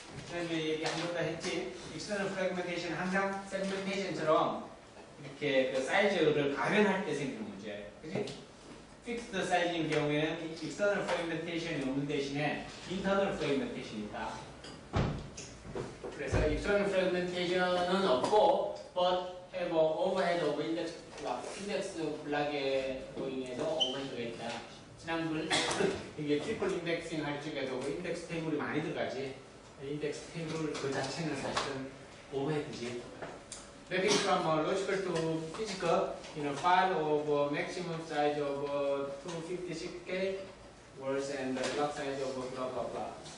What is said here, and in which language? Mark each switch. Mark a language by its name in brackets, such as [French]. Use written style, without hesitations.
[Korean] 그래서 얘기 한 번 더 했지. external fragmentation 항상 segmentation처럼 이렇게 그 사이즈를 가변할 때 생기는 문제. 그렇지? fixed size인 경우에는 external fragmentation이 없는 대신에 internal fragmentation이다. 그래서 external fragmentation은 없고 [English] but have overhead of index block [Korean] index block에 보인해서 overhead가 있다. 지난번 이게 triple indexing 할 적에도 index 테이블이 많이 들어가지. index 테이블 그 자체는 사실은 overhead지. [English] Maybe from logical to physical in a file of maximum size of 256k words and block size of blah blah blah.